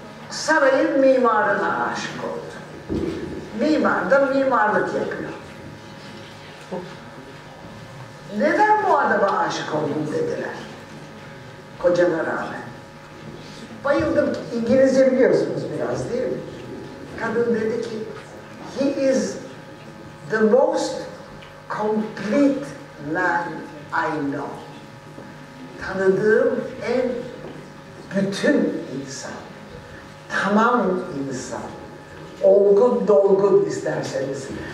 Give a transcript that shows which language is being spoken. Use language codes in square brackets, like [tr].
[tr] Sarayın mimarına aşık oldu. Mimar da mimarlık yapıyor. Neden bu adama aşık oldun dediler. Kocana rağmen. Bayıldım. İngilizce biliyorsunuz biraz değil mi? Kadın dedi ki [en] he is the most complete man I know. [tr] Tanıdığım en bütün insan. Tamam insan. Olgun dolgun isterseniz.